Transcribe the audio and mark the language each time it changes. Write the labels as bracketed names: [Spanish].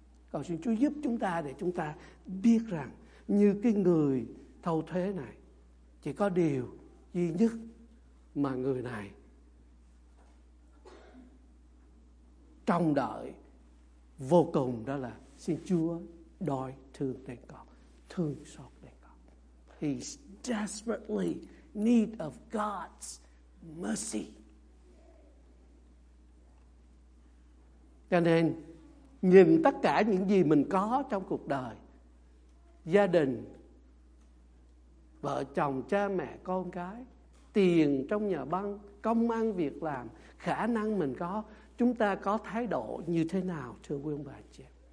[Vietnamese] Cầu xin Chúa giúp chúng ta để chúng ta biết rằng như cái người thâu thuế này, chỉ có điều duy nhất mà người này trông đợi vô cùng đó là xin Chúa đòi thương đến con, thương xót đến con. [English] He's desperately need of God's mercy. [Vietnamese] Cho nên nhìn tất cả những gì mình có trong cuộc đời, gia đình, vợ chồng, cha mẹ, con cái, tiền trong nhà băng, công ăn việc làm, khả năng mình có, chúng ta có thái độ như thế nào, thưa quý ông bà chị em?